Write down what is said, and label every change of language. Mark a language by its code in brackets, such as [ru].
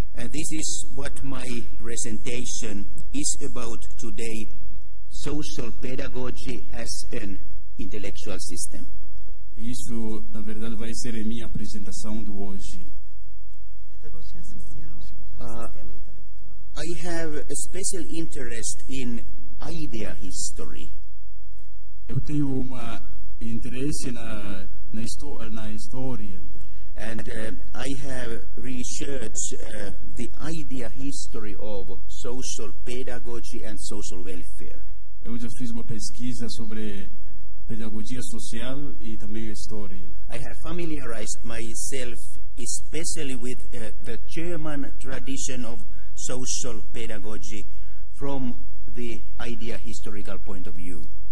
[en] This is what my presentation is about today: social pedagogy as an intellectual system. [pt] Isso, na verdade, vai ser a minha apresentação de hoje. Pedagogia social. [en] I have a special interest in idea history. [pt] Eu tenho um interesse na história. [en] And I have researched the idea history of social pedagogy and social welfare. [pt] Eu já fiz uma pesquisa sobre pedagogia social e também a história. [en] I have familiarized myself especially with the German tradition of social pedagogy from the idea historical point of view.